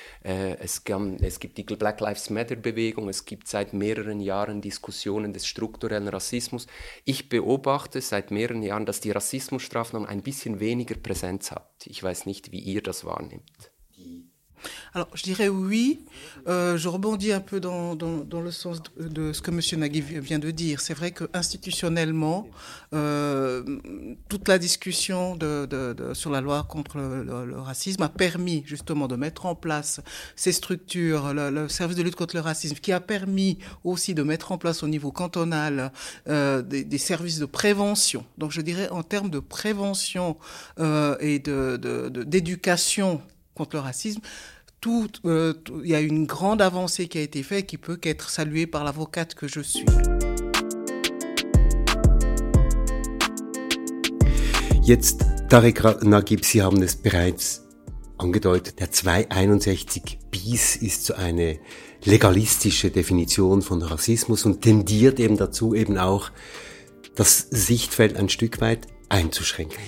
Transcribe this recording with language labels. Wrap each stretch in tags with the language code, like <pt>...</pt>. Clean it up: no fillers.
<de>Es gibt die Black Lives Matter Bewegung, es gibt seit mehreren Jahren Diskussionen des strukturellen Rassismus. Ich beobachte seit mehreren Jahren, dass die Rassismusstrafnorm ein bisschen weniger Präsenz hat. Ich weiß nicht, wie ihr das wahrnimmt.</de> <fr>Alors, je dirais oui. Je rebondis un peu dans le sens de ce que M. Nagui vient de dire. C'est vrai qu'institutionnellement, toute la discussion sur la loi contre le racisme a permis justement de mettre en place ces structures, le service de lutte contre le racisme, qui a permis aussi de mettre en place au niveau cantonal des services de prévention. Donc, je dirais en termes de prévention et de d'éducation contre le racisme, il y a une grande avancée qui a été faite qui peut qu'être saluée par l'avocate que je suis.</fr> <de>Jetzt, Tarek Naguib, Sie haben es bereits angedeutet, der 261 bis ist so eine legalistische Definition von Rassismus und tendiert eben dazu, eben auch das Sichtfeld ein Stück weit einzuschränken.</de>